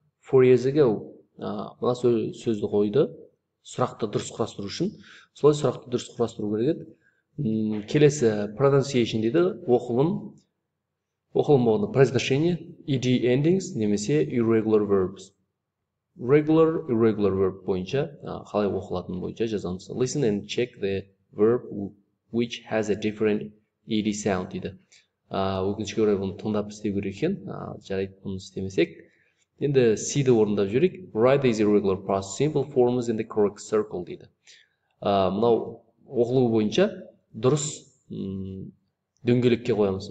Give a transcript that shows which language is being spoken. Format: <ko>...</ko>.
<en>4 years ago.</en> <kk>Мына сөзді қойды, сұрақты дұрыс құрастыру үшін. Солай сұрақты дұрыс құрастыру керек еді. Келесі pronunciation дейді, оқылым. Оқылым болғанда произношение, ed endings, немесе irregular verbs. Regular, irregular verb бойынша, қалай оқылатын бойынша жазамыз.</kk> <en>Listen and check the verb which has a different ed sound</en> <kk>дейді. Өкінішке орай бұны тыңдап істеу керек екен, жарайды бұны істемесек. Енді C-ді орындап жүрейік.</kk> <en>Write these irregular past simple forms in the correct circle</en> <kk>дейді. Мынау оқылуы бойынша дұрыс дөңгелекке қоямыз.</kk>